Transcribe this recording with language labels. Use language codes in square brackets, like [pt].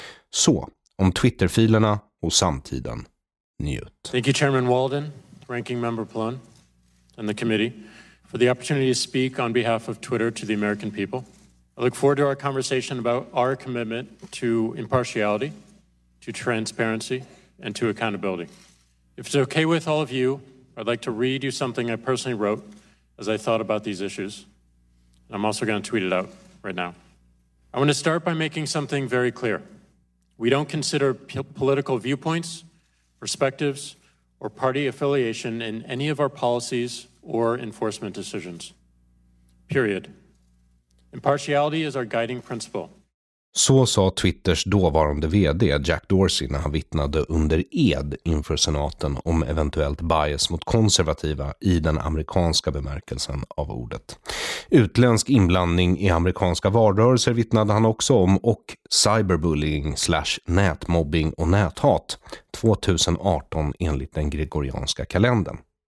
[sv] Så, om Twitter-filerna och samtiden. Njut. [en] Thank you, Chairman Walden, Ranking Member Plun, and the committee for the opportunity to speak on behalf of Twitter to the American people. I look forward to our conversation about our commitment to impartiality, to transparency, and to accountability. If it's okay with all of you, I'd like to read you something I personally wrote as I thought about these issues. And I'm also going to tweet it out right now. I want to start by making something very clear. We don't consider political viewpoints, perspectives, or party affiliation in any of our policies or enforcement decisions. Period. Impartiality is our guiding principle. [sv] Så sa Twitters dåvarande vd Jack Dorsey när han vittnade under ed inför senaten om eventuellt bias mot konservativa i den amerikanska bemärkelsen av ordet. Utländsk inblandning i amerikanska valrörelser vittnade han också om, och cyberbullying / nätmobbing och näthat 2018 enligt den gregorianska kalendern.